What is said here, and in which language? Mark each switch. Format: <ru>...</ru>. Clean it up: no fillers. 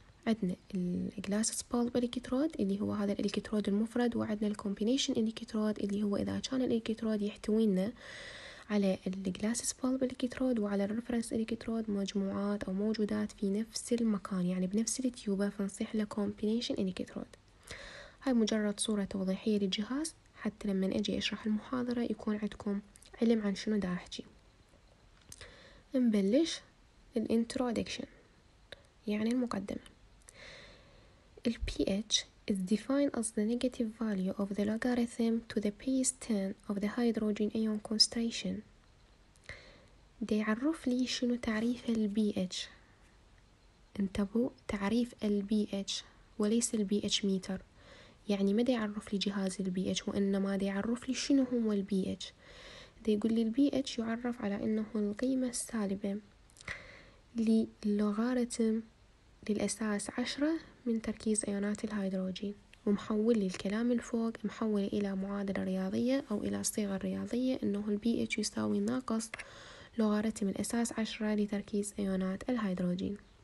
<ar>عندنا الجلاس سبالب الكترود اللي هو هذا الالكترود المفرد، وعندنا الكومبينيشن الكترود اللي هو اذا كان الالكترود يحتوينا على الجلاس سبالب الكترود وعلى الريفرنس الكترود، مجموعات او موجودات في نفس المكان يعني بنفس التيوبة، فنصيح لكومبينيشن الكترود. هاي مجرد صورة توضيحية للجهاز حتى لما اجي اشرح المحاضرة يكون عندكم علم عن شنو دا احكي. نبلش الانترودكشن يعني المقدمة.</ar> <en>The pH is defined as the negative value of the logarithm to the base 10 of the hydrogen ion concentration.</en> <ar>دي عرف لي شنو تعريف الـ pH. انتبهوا، تعريف الـ pH وليس الـ pH meter. يعني ما دي عرف لي جهاز الـ pH، وإنما دي عرف لي شنو هو الـ pH. دي يقول لي الـ pH يعرف على أنه القيمة السالبة للوغاريتم للأساس 10 من تركيز أيونات الهيدروجين، ومحول الكلام الفوق محول إلى معادلة رياضية أو إلى صيغة رياضية أنه الـ pH يساوي ناقص لوغاريتم الأساس 10 لتركيز أيونات الهيدروجين.</ar>